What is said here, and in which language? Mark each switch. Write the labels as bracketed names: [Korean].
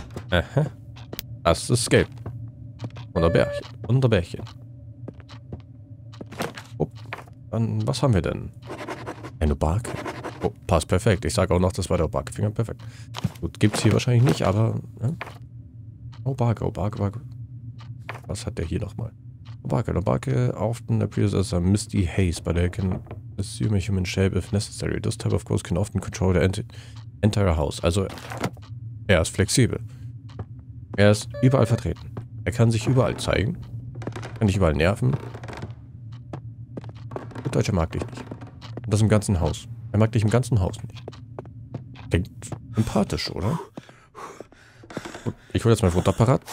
[German] Aha. Das ist gelb. Und ein Bärchen. Und ein Bärchen. Oh. Dann, was haben wir denn? Ein Obake. Oh, passt perfekt. Ich sage auch noch, das war der Obake-Finger. Perfekt. Gut, gibt's hier wahrscheinlich nicht, aber. Ne? Obake. Was hat der hier nochmal? [English] Obakel, Obakel, often appears as a misty haze, but I can assume a human shape if necessary. This type of ghost can often control the entire house. [German] Also, er ist flexibel. Er ist überall vertreten. Er kann sich überall zeigen. Kann dich überall nerven. Der Deutsche mag dich nicht. Und das im ganzen Haus. Er mag dich im ganzen Haus nicht. Klingt empathisch, oder? Ich hole jetzt mein Fotoapparat.